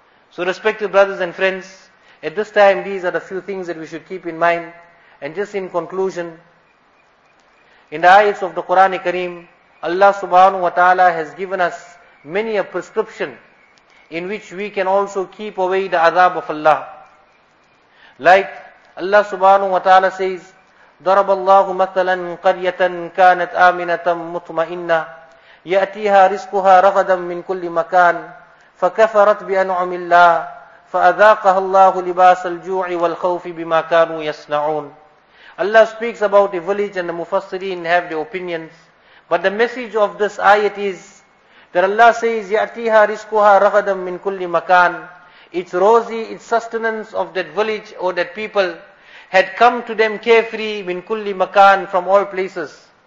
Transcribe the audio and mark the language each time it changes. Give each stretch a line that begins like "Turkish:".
English: So respected brothers and friends, at this time these are the few things that we should keep in mind. And just in conclusion, in the ayats of the Quran Kareem, Allah subhanahu wa ta'ala has given us many a prescription in which we can also keep away the azab of Allah.
Arabic: Like Allah subhanahu wa ta'ala says, ضَرَبَ اللَّهُ مَثَلًا قَرْيَةً كَانَتْ آمِنَةً مُطْمَئِنَّةً يَأْتِيهَا رِزْقُهَا رَغَدًا مِّن كُلِّ مَكَانٍ فَكَفَرَتْ بِأَنْعُمِ اللَّهِ فَأَذَاقَهَا اللَّهُ لِبَاسَ الْجُوعِ وَالْخَوْفِ بِمَا كَانُوا يَصْنَعُونَ.
English: Allah speaks about a village and the Mufassireen have their opinions. But the message of this ayat is that Allah says,
Arabic: يَأْتِيهَا رِزْقُهَا رَغَدًا مِّن كُلِّ مَكَانٍ.
English: Its rosy, its sustenance of that village or that people had come to them carefree,
Arabic: min kulli makan,
English: from all places.